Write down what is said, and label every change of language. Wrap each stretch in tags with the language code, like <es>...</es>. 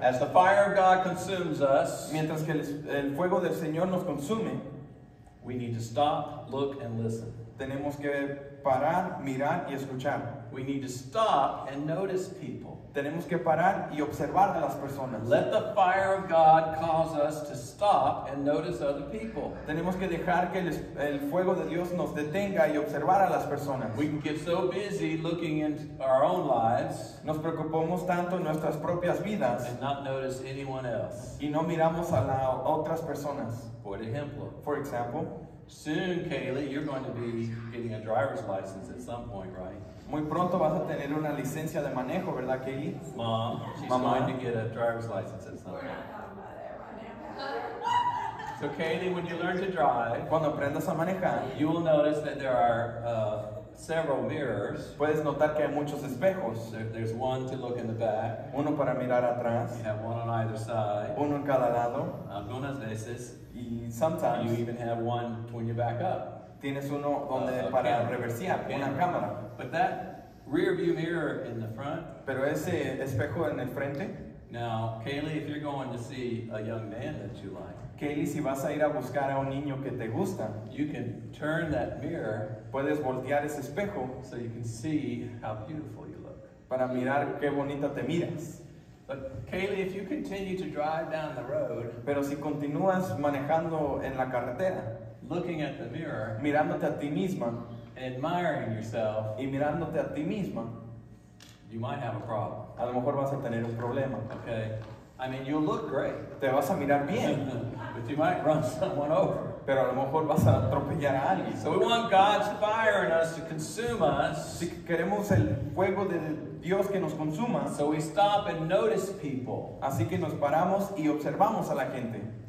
<en>As the fire of God consumes us,</en> <es>mientras que el fuego del Señor nos consume,</es> <en>we need to stop, look, and listen.</en> <es>Tenemos que parar, mirar y escuchar.</es> <en>We need to stop and notice people.</en> <es>Tenemos que parar y observar a las personas.</es> <en>Let the fire of God cause us to stop and notice other people.</en> <es>Tenemos que dejar que el fuego de Dios nos detenga y observar a las personas.</es> <en>We can get so busy looking into our own lives.</en> <es>Nos preocupamos tanto en nuestras propias vidas.</es> <en>And not notice anyone else.</en> <es>Y no miramos a las otras personas. Por ejemplo.</es> <en>For example. Soon, Kaylee, you're going to be getting a driver's license at some point, right?</en> <es>Muy pronto vas a tener una licencia de manejo, ¿verdad, Kaylee?</es> <en>Mom, she's</en> <es>Mama.</es> <en>Going to get a driver's license at some point. We're not talking about that right now. So, Kaylee, when you learn to drive,</en> <es>cuando aprendas a manejar,</es> <en>you will notice that there are several mirrors.</en> <es>Puedes notar que hay muchos espejos.</es> <en>There's one to look in the back.</en> <es>Uno para mirar atrás.</es> <en>You have one on either side.</en> <es>Uno en cada lado. Algunas veces. Y</es> <en>sometimes you even have one when you back up.</en> <es>Tienes uno donde para reversear, una cámara.</es> <en>But that rear view mirror in the front.</en> <es>Pero ese espejo en el frente.</es> <en>Now, Kaylee, if you're going to see a young man that you like.</en> <es>Kaylee, si vas a ir a buscar a un niño que te gusta.</es> <en>You can turn that mirror.</en> <es>Puedes voltear ese espejo.</es> <en>So you can see how beautiful you look.</en> <es>Para mirar qué bonita te miras.</es> <en>But Kaylee, if you continue to drive down the road,</en> <es>pero si continúas manejando en la carretera,</es> <en>looking at the mirror,</en> <es>mirándote a ti misma,</es> <en>and admiring yourself,</en> <es>y mirándote a ti misma,</es> <en>you might have a problem.</en> <es>A lo mejor vas a tener un problema.</es> <en>Okay. I mean, you'll look great.</en> <es>Te vas a mirar bien.</es> <en>But you might run someone over.</en> <es>Pero a lo mejor vas a atropellar a alguien.</es> <en>So we want God's fire in us to consume us.</en> <es>Si queremos el fuego de Dios que nos consuma.</es> <en>So we stop and notice people.</en> <es>Así que nos paramos y observamos a la gente.</es>